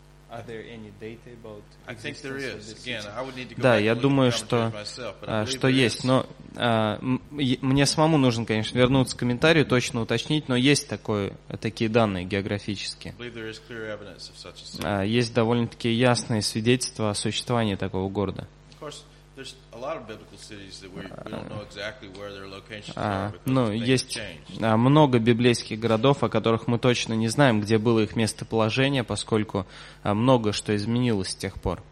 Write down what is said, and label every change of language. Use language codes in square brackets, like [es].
[en] Are there any data about existence of this city? I think there is. Again, I would need to go. [ru] Да, я думаю, что есть. Но мне самому нужно, конечно, вернуться к комментарию, точно уточнить. Но есть такие данные географические. [en] I believe there is clear evidence of such a city. [ru] Есть довольно-таки ясные свидетельства о существовании такого города. [en] There's a lot of biblical cities that we don't know exactly where their locations are. [ru] Есть много библейских городов, о которых мы точно не знаем, где было их местоположение, поскольку много что изменилось с тех пор.